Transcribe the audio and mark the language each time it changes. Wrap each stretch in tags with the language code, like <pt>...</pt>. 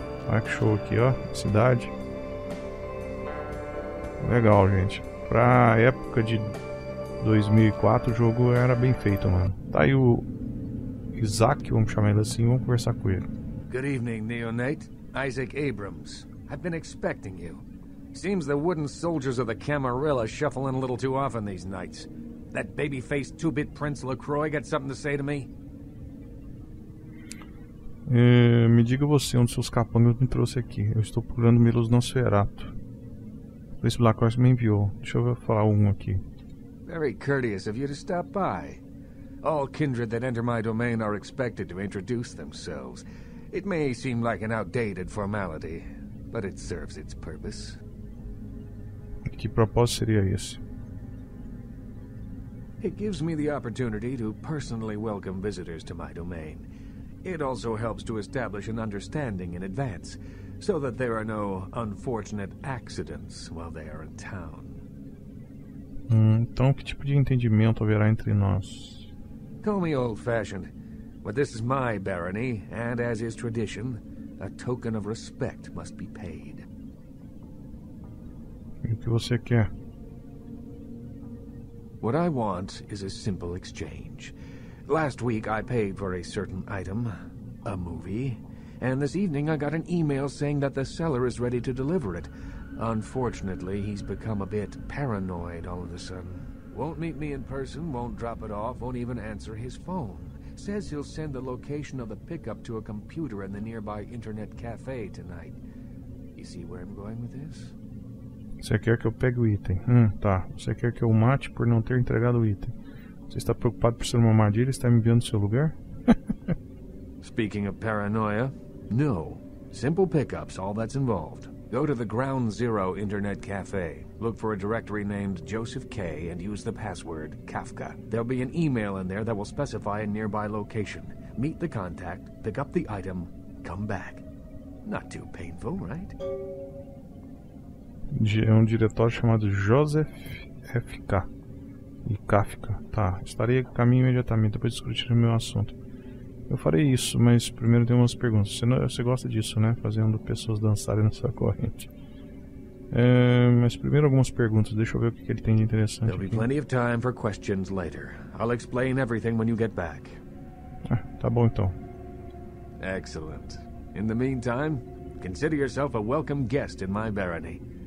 <pt>Olha que show aqui, ó. Cidade. Legal, gente. Pra época de 2004, o jogo era bem feito, mano. Tá aí o Isaac, vamos chamar ele assim, vamos conversar com ele.</pt> <en>Good evening, Neonate. Isaac Abrams. I've been expecting you. Seems the wooden soldiers of the Camarilla shuffle in a little too often these nights. That baby-faced two-bit Prince LaCroix got something to say to me?</en> <pt>Me diga você onde seus capangas me trouxe aqui. Eu estou procurando Milos Nosferatu. Prince LaCroix me enviou. Deixa eu falar um aqui.</pt> <en>Very courteous of you to stop by. All kindred that enter my domain are expected to introduce themselves. It may seem like an outdated formality, but it serves its purpose.</en> <pt>Que propósito seria esse?</pt> <en>It gives me the opportunity to personally welcome visitors to my domain. It also helps to establish an understanding in advance, so that there are no unfortunate accidents while they are in town.</en> <pt>Então que tipo de entendimento haverá entre nós?</pt> <en>Call me old-fashioned, but this is my barony, and as is tradition, a token of respect must be paid.</en> <pt>E o que você quer?</pt> <en>What I want is a simple exchange. Last week I paid for a certain item, a movie, and this evening I got an email saying that the seller is ready to deliver it. Unfortunately, he's become a bit paranoid all of a sudden. Won't meet me in person, won't drop it off, won't even answer his phone. Says he'll send the location of the pickup to a computer in the nearby internet cafe tonight. You see where I'm going with this?</en> <pt>Você quer que eu pegue o item? Tá. Você quer que eu mate por não ter entregado o item? Você está preocupado por ser uma armadilha e está me enviando seu lugar?</pt> <en>Speaking of paranoia, no. Simple pickups, all that's involved. Go to the Ground Zero Internet Cafe. Look for a directory named Joseph K and use the password Kafka. There'll be an email in there that will specify a nearby location. Meet the contact, pick up the item, come back. Not too painful, right?</en> <pt>É um diretório chamado Joseph F.K. E Kafka. Tá, estarei a caminho imediatamente depois de discutir o meu assunto. Eu farei isso, mas primeiro tenho umas perguntas. Você gosta disso, né? Fazendo pessoas dançarem na sua corrente. Mas primeiro algumas perguntas. Deixa eu ver o que ele tem de interessante.</pt> <en>There'll be plenty of time for questions later. I'll explain everything when you get back.</en> <pt>Ah, tá bom então.</pt> <en>Excellent. In the meantime, consider yourself a welcome guest in my barony.</en>